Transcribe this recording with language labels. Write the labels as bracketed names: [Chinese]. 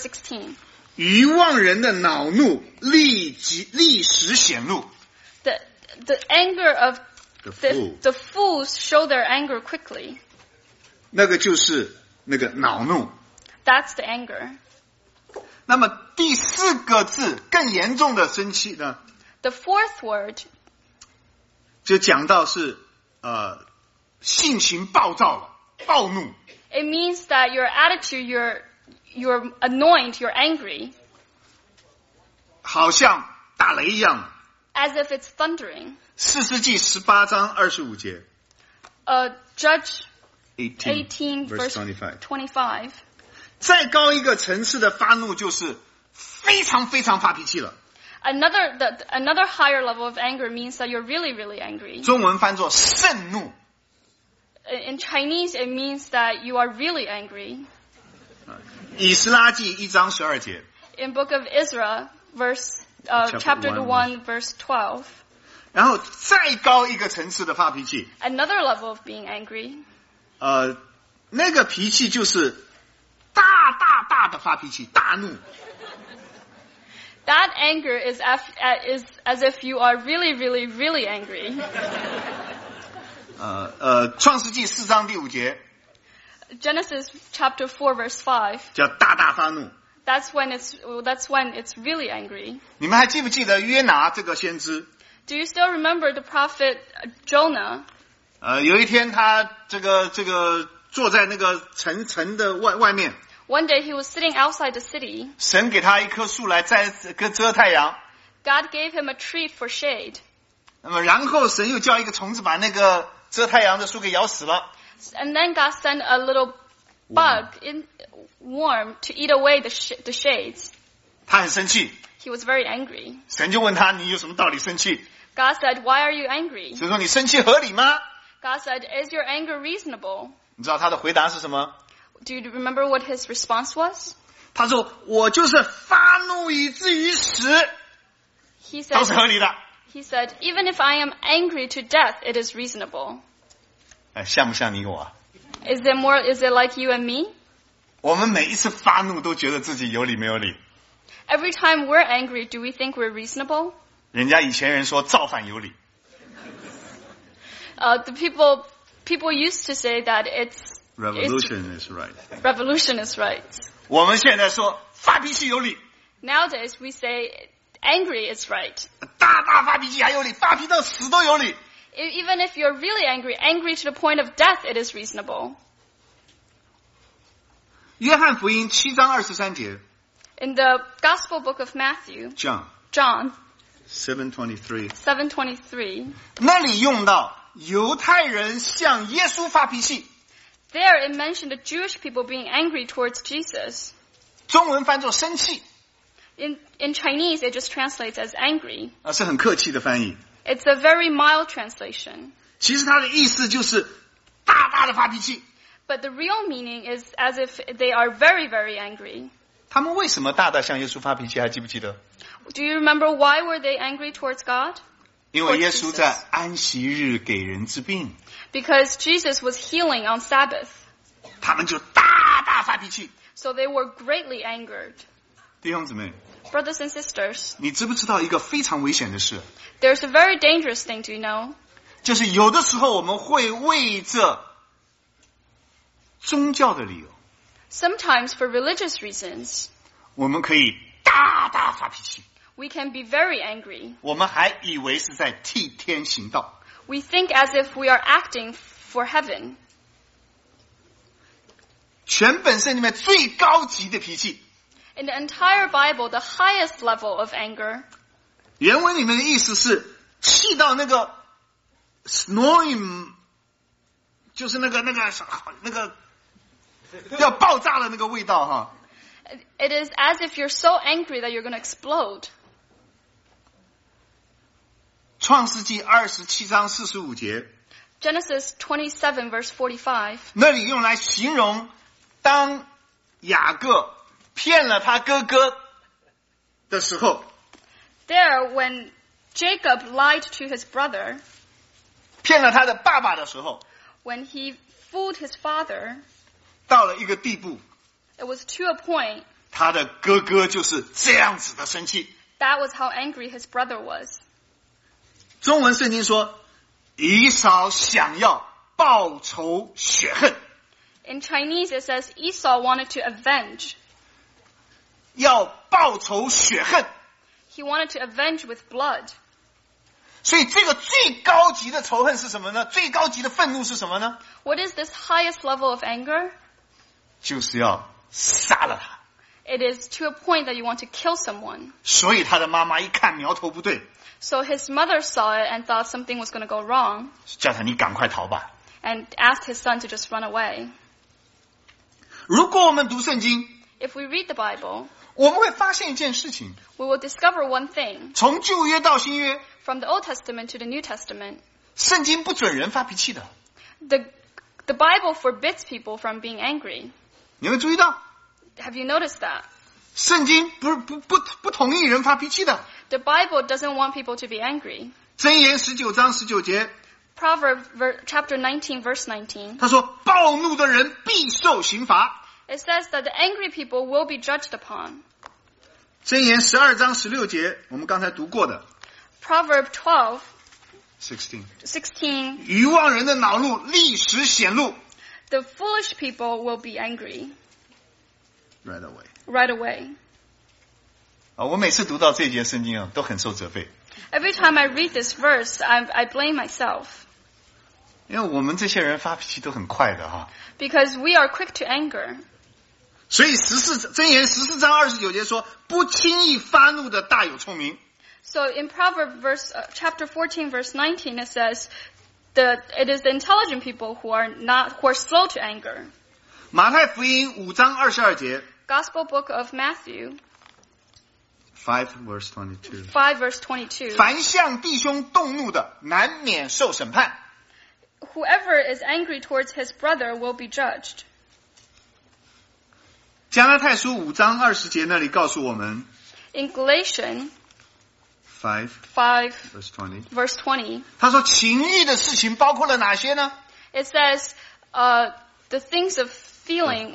[Chinese] 16愚妄人的恼怒立时显露 [English] the anger of the fools show their anger quickly [Chinese] 那个就是那个恼怒 [English] that's the anger [Chinese] 那么第四个字更严重的生气呢 [English] the fourth word [Chinese] 就讲到是性情暴躁了暴怒 [English] It means that your attitude you're annoyed you're angry [Chinese] 好像打雷一样 [English] As if it's thundering [Chinese] 四世纪十八章二十五节 [English] Judge 18 verse 25 [Chinese] 再高一个层次的发怒就是非常非常发脾气了 [English] Another higher level of anger means that you're really, really angry. [Chinese] 中文翻作甚怒。 [English] In Chinese, it means that you are really angry. [Chinese] 以斯拉记一章十二节。 [English] In Book of Ezra, chapter 1, verse 12. [Chinese] 然后再高一个层次的发脾气。 [English] Another level of being angry. [Chinese] 那个脾气就是大大大的发脾气，大怒。 [English] That anger is as if you are really, really, really angry. [Chinese] 创世纪四章第五节。 [English] Genesis chapter 4 verse 5. [Chinese] 叫大大发怒。 [English] That's when it's really angry. [Chinese] 你们还记不记得约拿这个先知 [English] ？Do you still remember the prophet Jonah? [Chinese] 有一天他这个坐在那个城的外面。 [English] One day he was sitting outside the city. [Chinese] 神给他一棵树来摘遮太阳。 [English] God gave him a tree for shade. [Chinese] 那么然后神又叫一个虫子把那个遮太阳的树给咬死了。 [English] And then God sent a little bug in worm to eat away the shades. [Chinese] 他很生气。 [English] He was very angry. [Chinese] 神就问他你有什么道理生气 [English] ？God said, "Why are you angry?" [Chinese] 神说你生气合理吗 [English] ？God said, "Is your anger reasonable?" [Chinese] 你知道他的回答是什么？ [English] Do you remember what his response was? [Chinese] 他说我就是发怒以至于死 [English] He said, [Chinese] 都是合理的 [English] He said, even if I am angry to death, it is reasonable. [Chinese] 像不像你我 [English] Is it like you and me? [Chinese] 我们每一次发怒都觉得自己有理没有理 [English] Every time we're angry, do we think we're reasonable? [Chinese] 人家以前人说造反有理 [English] The people used to say that Revolution is right. Right. [Chinese] 我们现在说发脾气有理。 [English] Nowadays we say angry is right. [Chinese] 大大发脾气还有理，发脾气到死都有理。 [English] Even if you're really angry, angry to the point of death, it is reasonable. [Chinese] 约翰福音七章二十三节。 [English] In the Gospel Book of Matthew. John. 7:23. [Chinese] 那里用到犹太人向耶稣发脾气。 [English] There it mentioned the Jewish people being angry towards Jesus. [Chinese] 中文翻作生气。 [English] In Chinese, it just translates as angry. [Chinese] 是很客气的翻译。 [English] It's a very mild translation. [Chinese] 其实它的意思就是大大的发脾气。 [English] But the real meaning is as if they are very, very angry. [Chinese] 他们为什么大大向耶稣发脾气还记不记得 [English] Do you remember why were they angry towards God? [Chinese] 因为耶稣在安息日给人治病。 [English] Because Jesus was healing on Sabbath. [Chinese] 他们就大大发脾气。 [English] So they were greatly angered. [Chinese] 弟兄姊妹。 [English] Brothers and sisters. [Chinese] 你知不知道一个非常危险的事 [English] ?There's a very dangerous thing, do you know? [Chinese] 就是有的时候我们会为着宗教的理由。 [English] Sometimes for religious reasons. [Chinese] 我们可以大大发脾气。 [English] We can be very angry. [Chinese] 我们还以为是在替天行道。 [English] We think as if we are acting for heaven. [Chinese] 全本圣里面最高级的脾气。 [English] In the entire Bible, the highest level of anger. [Chinese] 原文里面的意思是气到那个 snowing 就是那个要爆炸的那个味道哈。 [English] It is as if you're so angry that you're going to explode. [Chinese] 创世纪二十七章四十五节。 [English] Genesis 27 verse 45. [Chinese] 那里用来形容当雅各骗了他哥哥的时候。 [English] There, when Jacob lied to his brother. [Chinese] 骗了他的爸爸的时候。 [English] When he fooled his father. [Chinese] 到了一个地步。 [English] It was to a point. [Chinese] 他的哥哥就是这样子的生气。 [English] That was how angry his brother was. [Chinese] 中文圣经说以扫想要报仇雪恨。 [English] In Chinese it says Esau wanted to avenge. [Chinese] 要报仇雪恨。 [English] He wanted to avenge with blood. [Chinese] 所以这个最高级的仇恨是什么呢？最高级的愤怒是什么呢？ [English] What is this highest level of anger? [Chinese] 就是要杀了他。 [English] It is to a point that you want to kill someone. [Chinese] 所以他的妈妈一看苗头不对。 [English] So his mother saw it and thought something was going to go wrong. [Chinese] 叫他你赶快逃吧。 [English] And asked his son to just run away. [Chinese] 如果我们读圣经， [English] If we read the Bible, [Chinese] 我们会发现一件事情。 [English] We will discover one thing. [Chinese] 从旧约到新约， [English] From the Old Testament to the New Testament, [Chinese] 圣经不准人发脾气的。 [English] The Bible forbids people from being angry. [Chinese] 你有没有注意到？ [English] Have you noticed that? [Chinese] 圣经不同意人发脾气的。 [English] The Bible doesn't want people to be angry. [Chinese] 箴言十九章十九节。 [English] Proverbs chapter 19 verse 19. [Chinese] 他说暴怒的人必受刑罚。 [English] It says that the angry people will be judged upon. [Chinese] 箴言十二章十六节，我们刚才读过的。 [English] Proverbs 16. [Chinese] 愚妄人的恼怒立时显露。 [English] The foolish people will be angry. Right away. Right away. [Chinese] 我每次读到这节圣经啊，都很受责备。 [English] Every time I read this verse, I blame myself. [Chinese] 因为我们这些人发脾气都很快的哈。 [English] Because we are quick to anger. [Chinese] 所以箴言十四章二十九节说，不轻易发怒的大有聪明。 [English] So in Proverbs chapter 14 verse 19 it says, it is the intelligent people who are slow to anger. [Chinese] 马太福音五章二十二节。 [English] Gospel book of Matthew. 5 verse 22. [Chinese] 凡向弟兄动怒的，难免受审判。 [English] Whoever is angry towards his brother will be judged. [Chinese] 加拉太书五章二十节那里告诉我们。 [English] In Galatians. 5 verse 20. [Chinese] 他说情欲的事情包括了哪些呢 [English] ？It says, the things of feeling